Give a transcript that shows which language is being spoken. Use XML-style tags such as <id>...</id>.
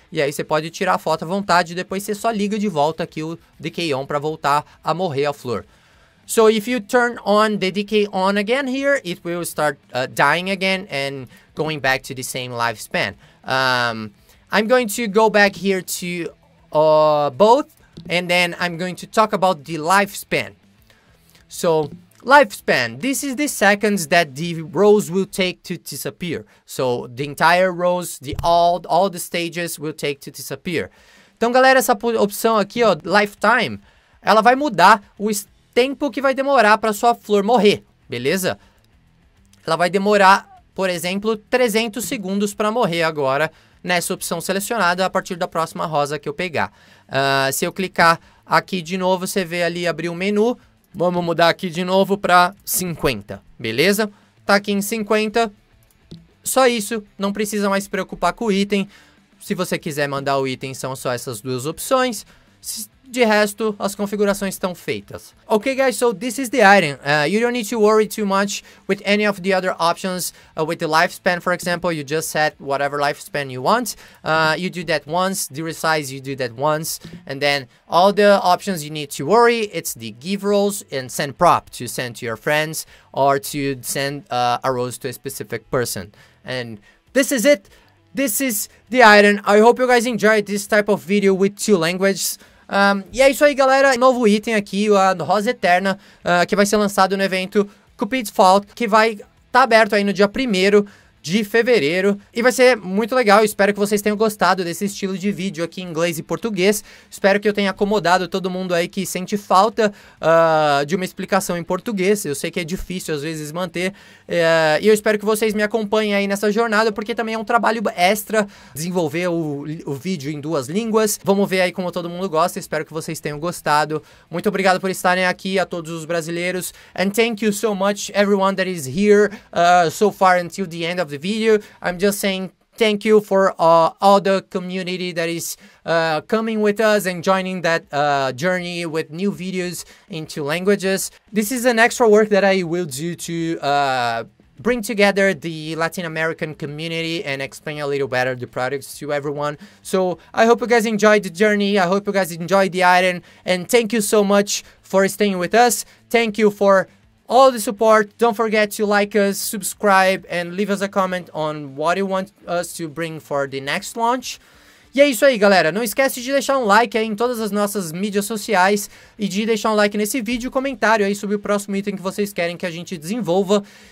<pt>E aí você pode tirar a foto à vontade e depois você só liga de volta aqui o decay on para voltar a morrer a flor.</pt> <en>So if you turn on the decay on again here, it will start dying again and going back to the same lifespan. I'm going to go back here to both and then I'm going to talk about the lifespan. So lifespan, this is the seconds that the rose will take to disappear. So, the entire rose, all the stages will take to disappear.</en> <pt>Então, galera, essa opção aqui, ó, lifetime, ela vai mudar o tempo que vai demorar para sua flor morrer, beleza? Ela vai demorar, por exemplo, 300 segundos para morrer agora nessa opção selecionada a partir da próxima rosa que eu pegar. Se eu clicar aqui de novo, você vê ali abrir o menu. Vamos mudar aqui de novo para 50, beleza? Tá aqui em 50, só isso, não precisa mais se preocupar com o item. Se você quiser mandar o item, são só essas duas opções. De resto, as configurações estão feitas.</pt> <en>Okay guys, so this is the item. You don't need to worry too much with any of the other options. With the lifespan, for example, you just set whatever lifespan you want. You do that once, the resize, you do that once. And then all the options you need to worry, it's the give rolls and send prop to send to your friends or to send a rose to a specific person. And this is it. This is the item. I hope you guys enjoyed this type of video with two languages.</en> <pt>E é isso aí, galera. Novo item aqui, a Rosa Eterna, que vai ser lançado no evento Cupid's Fault, que vai estar aberto aí no dia 1º de fevereiro. E vai ser muito legal. Eu espero que vocês tenham gostado desse estilo de vídeo aqui em inglês e português. Espero que eu tenha acomodado todo mundo aí que sente falta de uma explicação em português. Eu sei que é difícil às vezes manter. E eu espero que vocês me acompanhem aí nessa jornada, porque também é um trabalho extra desenvolver o vídeo em duas línguas. Vamos ver aí como todo mundo gosta. Espero que vocês tenham gostado. Muito obrigado por estarem aqui, a todos os brasileiros.</pt> <en>And thank you so much everyone that is here so far until the end of the video. I'm just saying thank you for all the community that is coming with us and joining that journey with new videos in two languages. This is an extra work that I will do to bring together the Latin American community and explain a little better the products to everyone. So I hope you guys enjoyed the journey. I hope you guys enjoyed the item, and thank you so much for staying with us. Thank you for all the support. Don't forget to like us, subscribe, and leave us a comment on what you want us to bring for the next launch.</en> <pt>E é isso aí, galera. Não esquece de deixar um like aí em todas as nossas mídias sociais e de deixar um like nesse vídeo e comentário aí sobre o próximo item que vocês querem que a gente desenvolva.</pt>